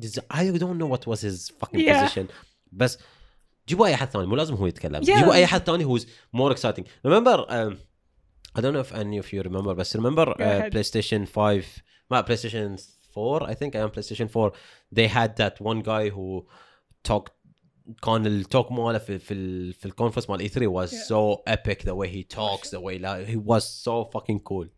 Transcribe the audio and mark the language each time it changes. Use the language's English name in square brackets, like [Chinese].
[English] I don't know what was his fucking position. [Arabic] بس جيبوا أي حد ثاني، مو لازم هو يتكلم. جيبوا أي حد ثاني [English] who's more exciting. Remember, I don't know if any of you remember, but remember PlayStation 5, not PlayStation 4, I think, on PlayStation 4, they had that one guy who talked, [Arabic] كان التوك ماله في الكونفرنس مال [English] E3 was so epic, the way he talks, the way like, he was so fucking cool.